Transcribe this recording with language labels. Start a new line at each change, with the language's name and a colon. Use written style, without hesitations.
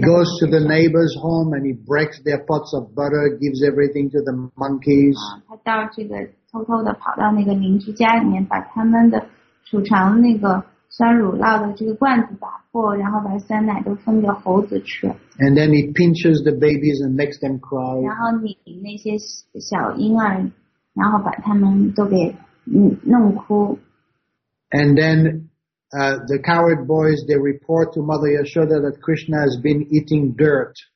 English: He goes to the neighbor's home and he breaks their pots of butter, gives everything to the monkeys.
Chinese: 他到这个偷偷的跑到那个邻居家里面，把他们的储藏那个酸乳酪的这个罐子打破，然后把酸奶都分给猴子吃。
English: And then he pinches the babies and makes them cry.
Chinese: 然后你那些小婴儿，然后把他们都给弄哭。
English: And then the coward boys, they report to Mother Yashoda that Krishna has been eating dirt.